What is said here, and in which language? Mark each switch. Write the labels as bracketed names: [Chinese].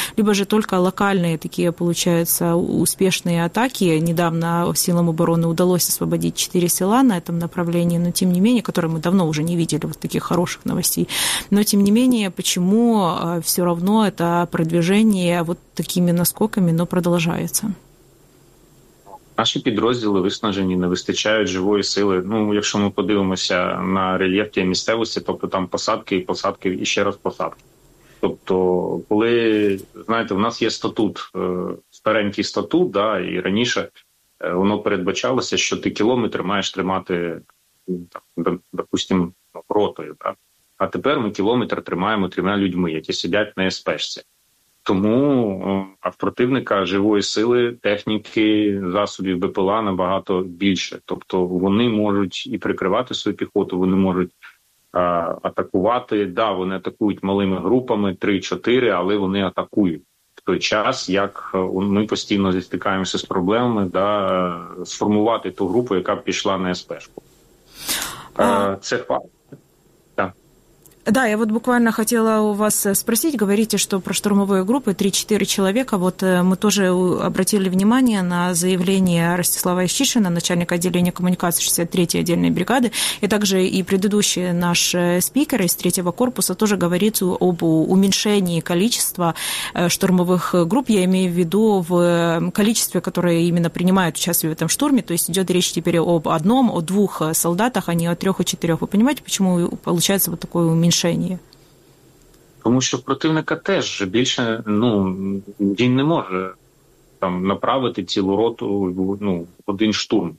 [Russian] Либо же только локальные такие получаются успешные атаки. Недавно силам обороны удалось освободить 4 села на этом направлении, но тем не менее, которые мы давно уже не видели, вот таких хороших новостей. Но тем не менее, почему все равно это продвижение вот такими наскоками, но продолжается. [Ukrainian] Наші підрозділи виснажені, не вистачає живої сили. Ну, якщо ми подивимося на рельєф тієї місцевості, тобто там посадки і посадки, і ще раз посадки. Тобто, коли, знаєте, в нас є статут, старенький статут, да, і раніше воно передбачалося, що ти кілометри маєш тримати, допустимо, ротою. Да? А тепер ми кілометр тримаємо трьома людьми, які сидять на СПшці. Тому а в противника живої сили, техніки, засобів БПЛА набагато більше. Тобто вони можуть і прикривати свою піхоту, вони можуть атакувати. Да, вони атакують малими групами, 3-4, але вони атакують. В той час, як ми постійно зістикаємося з проблемами, да, сформувати ту групу, яка б пішла на СП-шку. Це факт. [Russian] Да, я вот буквально хотела у вас спросить, говорите, что про штурмовые группы 3-4 человека, вот мы тоже обратили внимание на заявление Ростислава Ищишина, начальника отделения коммуникации 63-й отдельной бригады, и также и предыдущий наш спикер из 3-го корпуса тоже говорит об уменьшении количества штурмовых групп, я имею в виду в количестве, которое именно принимают участие в этом штурме, то есть идет речь теперь об одном, о двух солдатах, а не о трех и четырех. Вы понимаете, почему получается вот такое уменьшение? [Ukrainian] Тому що противника теж більше, ну, він не може там направити цілу роту, ну, один штурм.